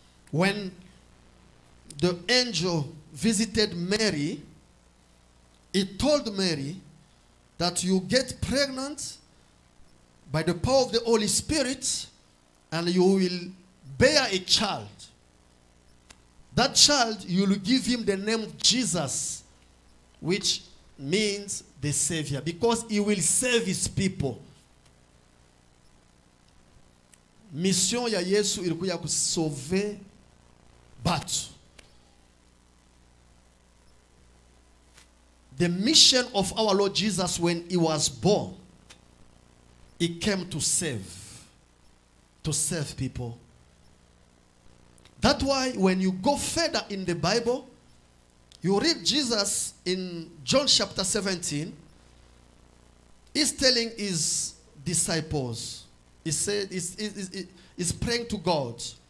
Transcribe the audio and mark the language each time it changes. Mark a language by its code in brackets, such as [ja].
[en] When the angel visited Mary, he told Mary that you get pregnant by the power of the Holy Spirit and you will bear a child. That child, you will give him the name Jesus, which means the Savior, because he will save his people. [sw] Mission ya Yesu ilikuwa kusove batu. [en] The mission of our Lord Jesus when he was born, he came to save people. That's why when you go further in the Bible, you read Jesus in John chapter 17, he's telling his disciples, he's praying to God.